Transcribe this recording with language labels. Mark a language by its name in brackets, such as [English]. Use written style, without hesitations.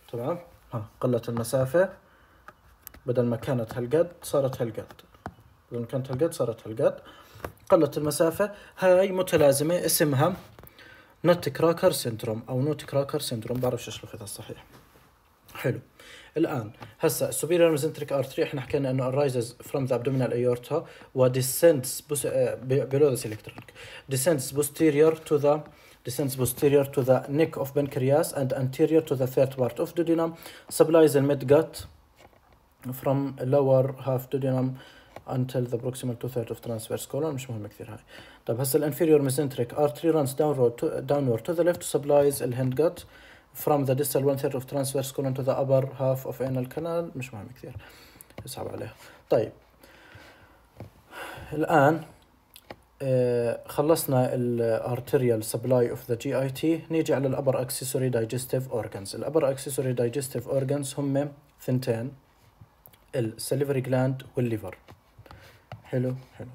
[Arabic] تمام، ها قلت المسافه بدل ما كانت هالقد صارت هالقد، بدل ما كانت هالقد صارت هالقد، قلت المسافة. هاي متلازمة اسمها نوت كراكر سيندروم أو نوت كراكر سيندروم، بعرفش اشرفتها الصحيح. حلو. الآن هسا السوبيريور ميزنتريك أرتري احنا حكينا انه [English] arises from the abdominal aorta و descends below the celiac trunk descends posterior to the neck of pancreas and anterior to the third part of duodenum supplies the midgut from lower half duodenum until the proximal two-third of transverse colon. [Arabic] مش مهم كثير هاي. طيب هسا الانفيريور ميزنتريك ارتري [English] runs downward to the left to supplies the hind gut from the distal one-third of transverse colon to the upper half of anal canal. [Arabic] مش مهم كثير، اسحب عليها. طيب الان خلصنا الارتريال [English] supply of the GIT، [Arabic] نيجي على الابر اكسسوري دايجستيف اورجانز. الابر اكسسوري دايجستيف اورجانز هم ثنتين، السليفري جلاند والليفر. حلو حلو.